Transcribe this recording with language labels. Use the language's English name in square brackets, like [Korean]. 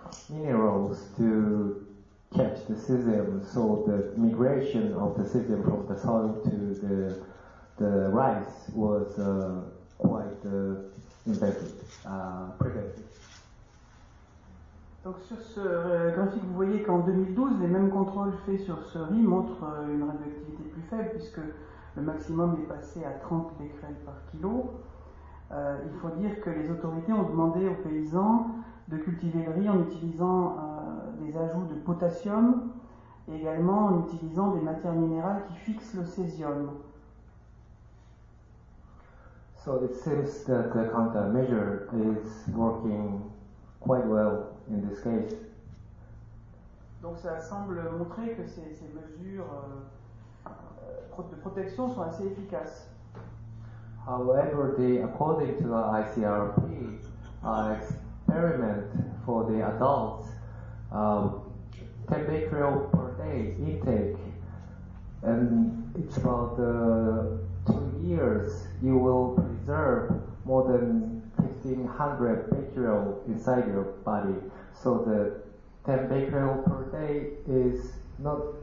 [English] minerals to catch the cesium, so the migration of the cesium from the soil to the rice was quite invented, prevented. [French] Donc sur ce graphique, vous voyez qu'en 2012, les mêmes contrôles faits sur ce riz montrent une radioactivité plus faible puisque le maximum est passé à 30 becquerels par kilo. Il faut dire que les autorités ont demandé aux paysans de cultiver le riz en utilisant des ajouts de potassium et également en utilisant des matières minérales qui fixent le césium. [English] So it seems that the countermeasure is working quite well in this case. [French] Donc ça semble montrer que ces mesures de protection sont assez efficaces. [English] However, according to the ICRP, experiment for the adults, 10 becquerel per day intake, and it's about 2 years, you will preserve more than 1500 becquerel inside your body. So the 10 becquerel per day is not